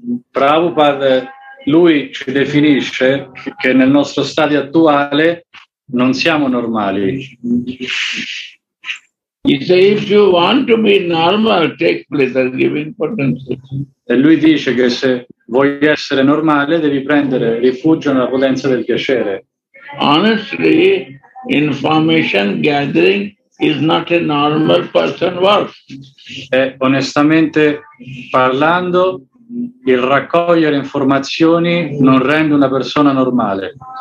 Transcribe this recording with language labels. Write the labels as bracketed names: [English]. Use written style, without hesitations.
[Italian] Prabhupada, lui ci definisce che nel nostro stato attuale non siamo normali. [English] He say if you want to be normal, take pleasure giving potency. [Italian] E lui dice che se vuoi essere normale devi prendere rifugio nella potenza del piacere. [English] Honestly, information gathering is not a normal person work. [Italian] E onestamente parlando, il raccogliere informazioni non rende una persona normale.